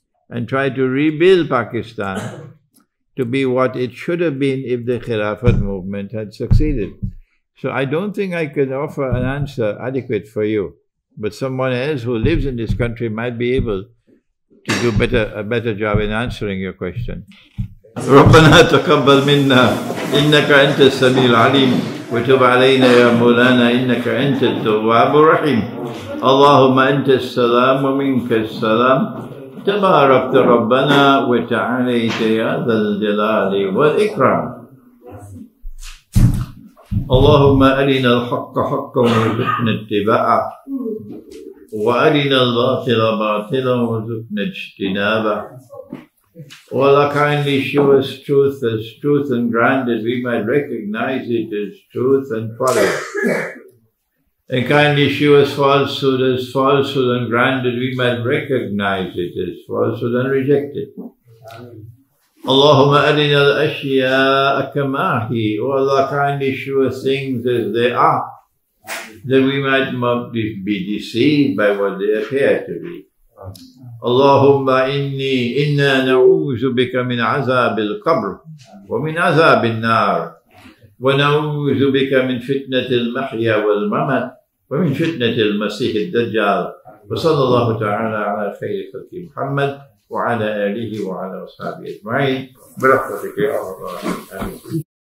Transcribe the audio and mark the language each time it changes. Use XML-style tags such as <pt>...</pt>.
<en>And try to rebuild Pakistan to be what it should have been if the Khilafat movement had succeeded. So I don't think I could offer an answer adequate for you. But someone else who lives in this country might be able to do a better job in answering your question.</en> <ar>ربنا تقبل منا إنك أنت السميع العليم وتب علينا يا مولانا إنك أنت التواب الرحيم اللهم أنت السلام ومنك السلام تباركت ربنا وتعاليت يا ذا الجلال والإكرام اللهم أرنا الحق حقا وارزقنا اتباعه وأرنا الباطل باطلا وارزقنا اجتنابه</ar> <en>Allah kindly show us truth as truth and grant that we might recognize it as truth and follow it. And kindly show us falsehood as falsehood and grant that we might recognize it as falsehood and reject it.</en> <ar>Allahumma arina al-ashya'a kama hi.</ar> <en>Allah kindly show us things as they are, that we might not be deceived by what they appear to be.</en> <ar>اللهم إنا نعوذ بك من عذاب القبر ومن عذاب النار ونعوذ بك من فتنة المحيا والممات ومن فتنة المسيح الدجال وصلى الله تعالى على خير خلق محمد وعلى آله وعلى أصحابه أجمعين برحمتك يا رب العالمين</ar>